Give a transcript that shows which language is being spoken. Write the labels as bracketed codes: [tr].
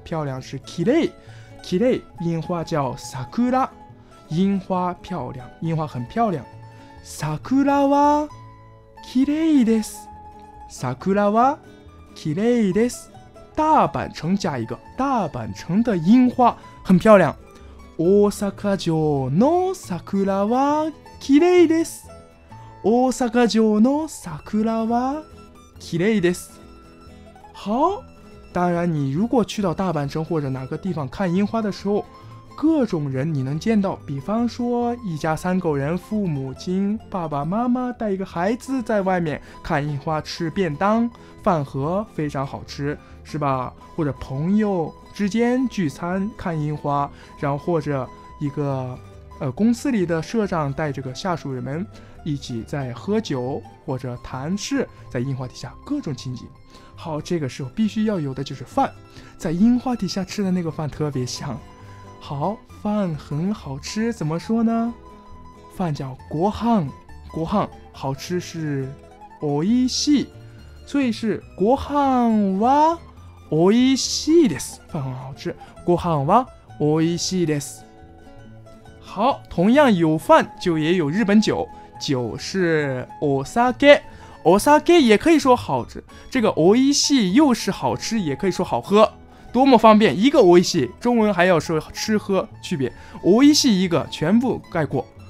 [zh] 漂亮是綺麗，綺麗，樱花叫桜，樱花漂亮，樱花很漂亮。 [ja] 桜は綺麗です。桜は綺麗です。 [zh] 大阪城加一个，大阪城的樱花很漂亮。 [ja] 大阪城の桜は綺麗です。大阪城の桜は綺麗です。 [zh] 好，当然你如果去到大阪城或者哪个地方看樱花的时候，各种人你能见到，比方说一家三口人，父母亲、爸爸妈妈带一个孩子在外面看樱花，吃便当，饭盒非常好吃，是吧？或者朋友之间聚餐看樱花，然后或者一个公司里的社长带这个下属人们一起在喝酒或者谈事，在樱花底下各种情景。好，这个时候必须要有的就是饭，在樱花底下吃的那个饭特别香。好，饭很好吃，怎么说呢？饭叫ご飯，ご飯好吃是おいしい，所以是 [ja] ご飯はおいしいです。 [zh] 饭很好吃， [ja] ご飯はおいしいです。 [zh] 好，同样有饭就也有日本酒，酒是お酒。お酒也可以说好吃，这个おいしい又是好吃，也可以说好喝，多么方便！一个おいしい，中文还要说吃喝区别，おいしい一个全部概括。